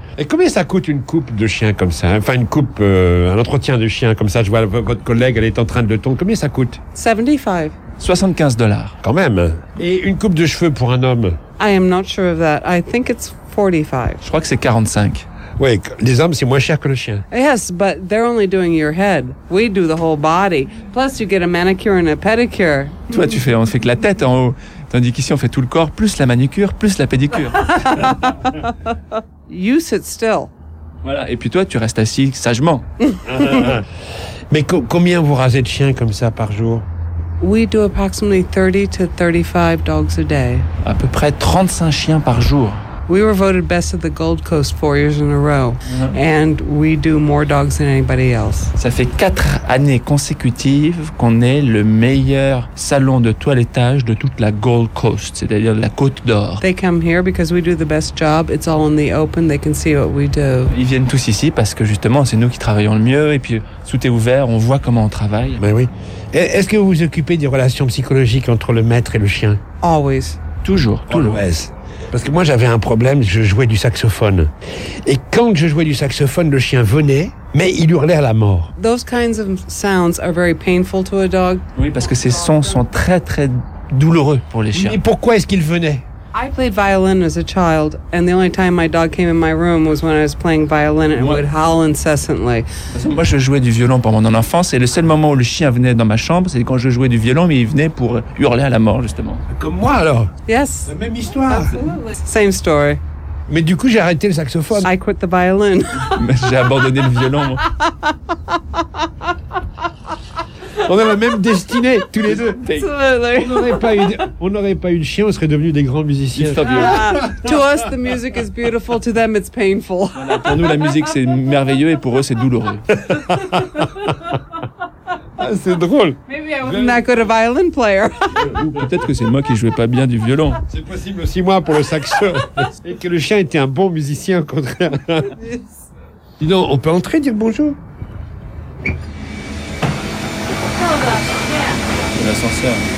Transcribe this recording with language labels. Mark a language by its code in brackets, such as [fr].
[fr] Et combien ça coûte une coupe de chien comme ça? Enfin, une coupe, un entretien de chien comme ça. Je vois votre collègue, elle est en train de le tondre. Combien ça coûte? 75. 75 dollars. Quand même. Et une coupe de cheveux pour un homme? [en] I am not sure of that. I think it's 45. [fr] Je crois que c'est 45. Oui, les hommes, c'est moins cher que le chien. [en] Yes, but they're only doing your head. We do the whole body. Plus, you get a manicure and a pedicure. [fr] Toi, on fait que la tête en haut. Tandis qu'ici, on fait tout le corps, plus la manucure, plus la pédicure. [en] You sit still. [fr] Voilà, et puis toi, tu restes assis sagement. Mais combien vous rasez de chiens comme ça par jour? [en] We do approximately 30 to 35 dogs a day. [fr] À peu près 35 chiens par jour. [en] We were voted best of the Gold Coast 4 years in a row. And we do more dogs than anybody else. [fr] Ça fait 4 années consécutives qu'on est le meilleur salon de toilettage de toute la Gold Coast, c'est-à-dire la Côte d'Or. [en] They come here because we do the best job. It's all in the open. They can see what we do. [fr] Ils viennent tous ici parce que justement, c'est nous qui travaillons le mieux. Et puis, tout est ouvert. On voit comment on travaille. Mais oui. Est-ce que vous vous occupez des relations psychologiques entre le maître et le chien? [en] Always. [fr] Toujours. [en] Always. [fr] Parce que moi, j'avais un problème, je jouais du saxophone. Et quand je jouais du saxophone, le chien venait, mais il hurlait à la mort. [en] Those kinds of sounds are very painful to a dog. [fr] Oui, parce que ces sons sont très, très douloureux pour les chiens. Mais pourquoi est-ce qu'il venait? [en] I played violin as a child, and the only time my dog came in my room was when I was playing violin and would howl incessantly. [fr] Moi, je jouais du violon pendant mon enfance, et le seul moment où le chien venait dans ma chambre, c'est quand je jouais du violon, mais il venait pour hurler à la mort, justement. Comme moi, alors? [en] Yes. [fr] La même histoire. [en] Absolutely. Same story. [fr] Mais du coup, j'ai arrêté le saxophone. [en] I quit the violin. [fr] J'ai abandonné le violon. On a la même destinée, tous les deux. [en] Absolutely. [fr] On n'aurait pas eu de chien, on serait devenus des grands musiciens. [en] To us, the music is beautiful. To them, it's painful. [fr] Voilà, pour nous, la musique, c'est merveilleux. Et pour eux, c'est douloureux. Ah, c'est drôle. [en] Maybe I wasn't that good a violin player. [fr] Ou peut-être que c'est moi qui jouais pas bien du violon. C'est possible aussi, moi, pour le saxophone. Et que le chien était un bon musicien, au contraire. Dis donc, on peut entrer, dire bonjour? l'ascenseur.